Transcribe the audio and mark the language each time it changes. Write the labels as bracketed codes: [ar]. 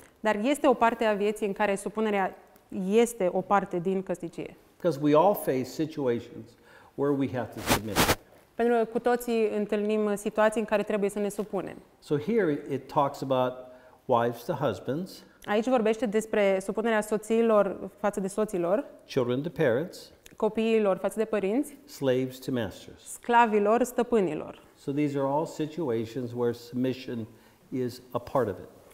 [ro] Dar este o parte a vieții în care supunerea este o parte din căsnicie. [en] Because we all face situations where we have to submit. [ro] Pentru că cu toții întâlnim situații în care trebuie să ne supunem. [en] So here it talks about wives to husbands. [ro] Aici vorbește despre supunerea soțiilor față de soților. [en] Children to parents. [ro] Copiilor față de părinți. [en] Slaves to masters. [ro] Sclavilor stăpânilor. [en] So these are all situations where submission is a part of it.